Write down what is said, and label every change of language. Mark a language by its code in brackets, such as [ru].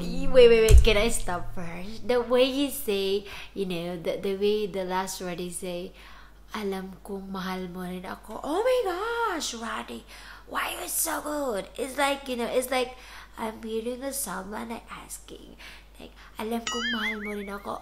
[en] Wait, can I stop first? The way he say, you know, the way the last word he say, [tl] Alam kong mahal mo rin ako. [en] Oh my gosh, Randy. Why are you so good? It's like, you know, it's like I'm meeting with someone and asking. [tl] Like, alam kong mahal mo rin ako.